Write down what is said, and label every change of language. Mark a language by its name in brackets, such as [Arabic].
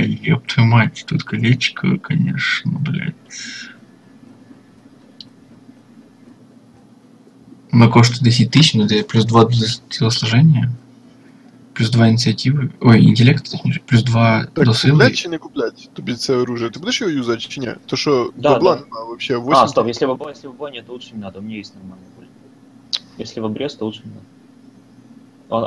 [Russian] ёб твою мать, тут колечко, конечно, блядь. На кошту 10 тысяч, но это плюс 2 до телосложения. [Ukrainian] Плюс 2 ініціативи, ой, інтелект, плюс 2 так, до сили. Куплять чи не куплять тобі це оружие? Ти будеш його юзати чи ні? То що, да, бабла да. Немає, вообще 8. А, стоп, якщо бабла, якщо бабла ні, то [Russian] лучше не надо, [Ukrainian] у мене є нормальна пуля. Якщо в обрез, то [Russian] лучше не надо.